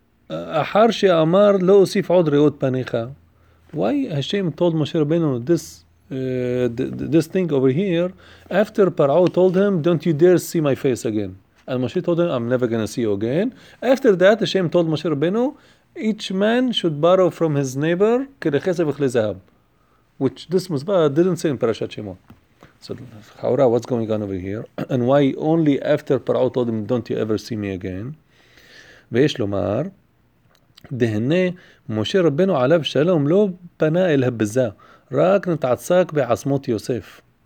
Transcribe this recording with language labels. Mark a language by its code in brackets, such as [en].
[he] אחר שאמר לא אוסיף עוד ראות פניך. [en] Why Hashem told Moshe Rabbeinu this thing over here after Parao told him don't you dare see my face again, and Moshe told him I'm never gonna see you again. After that Hashem told Moshe Rabbeinu each man should borrow from his neighbor [he] כדי כסף וכלי זהב, [en] which this מצווה didn't say in Parashat Shemot. So Chaura, what's going on over here and why only after Parao told him don't you ever see me again? [he] ויש לומר דהנה משה רבנו עליו שלום לא פנה אל הבזה, רק נתעסק בעצמות יוסף.